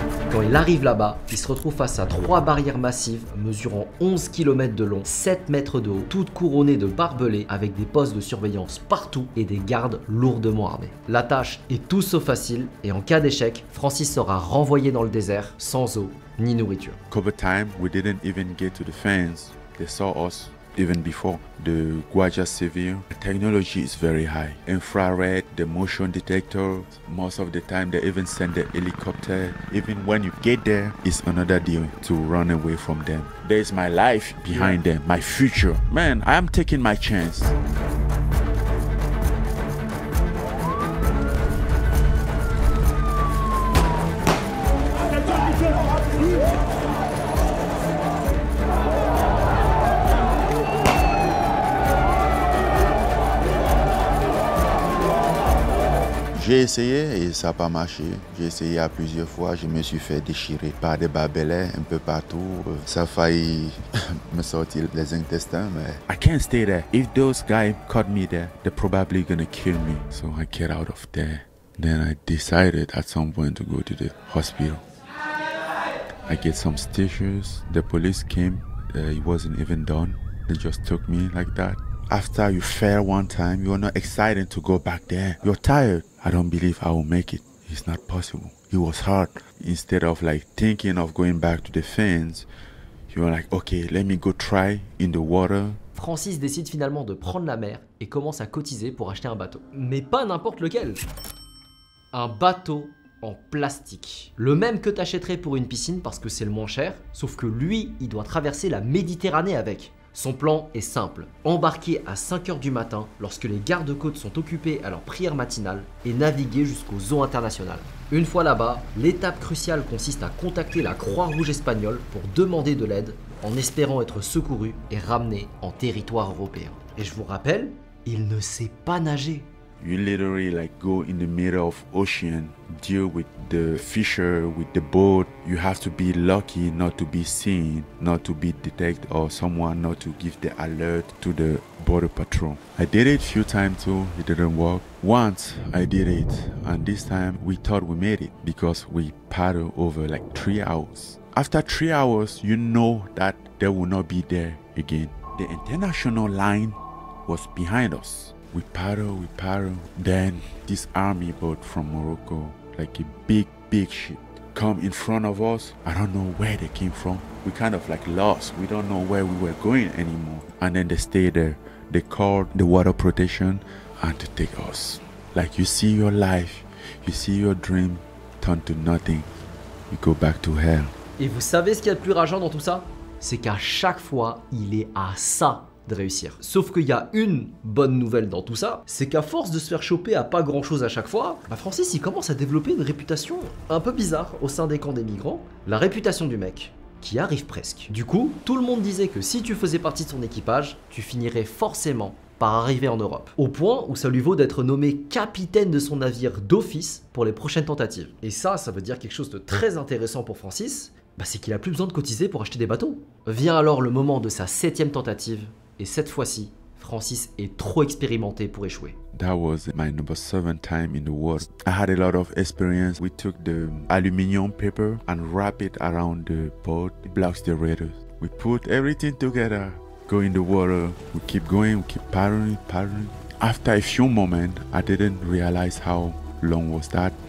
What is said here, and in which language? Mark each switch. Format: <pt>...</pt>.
<fr>Quand il arrive là-bas, il se retrouve face à trois barrières massives mesurant 11 km de long, 7 mètres de haut, toutes couronnées de barbelés avec des postes de surveillance partout et des gardes lourdement armés. La tâche est tout sauf facile et en cas d'échec, Francis sera renvoyé dans le désert sans eau ni nourriture.</fr> <en>Cover time, we didn't even get to the fence. They saw us even before the Guaja Civil. The technology is very high. Infrared, the motion detector. Most of the time, they even send the helicopter. Even when you get there, it's another deal to run away from them. There's my life behind them, my future. Man, I'm taking my chance.</en> <fr>J'ai essayé et ça n'a pas marché. J'ai essayé à plusieurs fois, je me suis fait déchirer par des barbelés un peu partout. Ça a failli me sortir les intestins, mais...</fr> <en>I can't stay there. If those guys caught me there, they're probably gonna kill me. So I get out of there. Then I decided at some point to go to the hospital. I get some stitches. The police came. It wasn't even done. They just took me like that. After you fail one time, you're not excited to go back there. You're tired. I don't believe I will make it. It's not possible. It was hard. Instead of like thinking of going back to the fence, you were like, okay, let me go try in the water.</en> <fr>Francis décide finalement de prendre la mer et commence à cotiser pour acheter un bateau. Mais pas n'importe lequel. Un bateau en plastique. Le même que t'achèterais pour une piscine parce que c'est le moins cher, sauf que lui, il doit traverser la Méditerranée avec. Son plan est simple, embarquer à 5h du matin lorsque les gardes-côtes sont occupés à leur prière matinale et naviguer jusqu'aux eaux internationales. Une fois là-bas, l'étape cruciale consiste à contacter la Croix-Rouge espagnole pour demander de l'aide en espérant être secouru et ramené en territoire européen. Et je vous rappelle, il ne sait pas nager.</fr> <en>You literally like go in the middle of ocean, deal with the fisher, with the boat. You have to be lucky not to be seen, not to be detected, or someone not to give the alert to the border patrol. I did it a few times too, it didn't work. Once I did it, and this time we thought we made it because we paddled over like 3 hours. After 3 hours, you know that they will not be there again. The international line was behind us. We paddle. Then this army boat from Morocco, like a big, big ship, come in front of us. I don't know where they came from. We kind of like lost. We don't know where we were going anymore. And then they stay there. They called the water protection and to take us. Like you see your life, you see your dream turn to nothing. You go back to hell.</en> <fr>Et vous savez ce qu'il y a de plus rageant dans tout ça? C'est qu'à chaque fois, il est à ça de réussir. Sauf qu'il y a une bonne nouvelle dans tout ça, c'est qu'à force de se faire choper à pas grand chose à chaque fois, bah Francis il commence à développer une réputation un peu bizarre au sein des camps des migrants, la réputation du mec qui arrive presque. Du coup, tout le monde disait que si tu faisais partie de son équipage, tu finirais forcément par arriver en Europe. Au point où ça lui vaut d'être nommé capitaine de son navire d'office pour les prochaines tentatives. Et ça, ça veut dire quelque chose de très intéressant pour Francis, bah c'est qu'il a plus besoin de cotiser pour acheter des bateaux. Vient alors le moment de sa 7e tentative. Et cette fois-ci, Francis est trop expérimenté pour échouer.</fr> <en>That was my number 7th time in the world. I had a lot of experience. We took the aluminum paper and wrap it around the boat. It blocks the radar. We put everything together, go in the water. We keep going, we keep paddling. After a few moments, I didn't realize how long was that.</en>